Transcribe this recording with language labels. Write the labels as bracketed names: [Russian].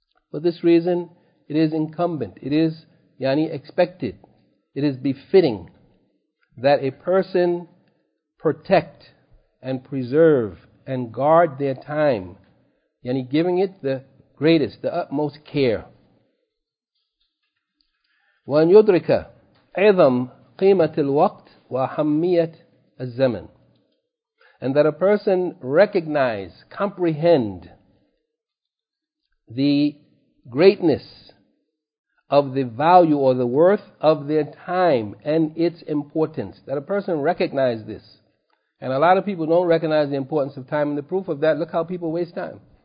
[English] For this reason, it is incumbent, it is expected, it is befitting that a person protect and preserve and guard their time, giving it the greatest, the utmost care. [Arabic] وأن يدرك عظم قيمة الوقت وأهمية الزمن. [English] And that a person recognize, comprehend the greatness of the value or the worth of their time and its importance. That a person recognize this. And a lot of people don't recognize the importance of time. And the proof of that, look how people waste time.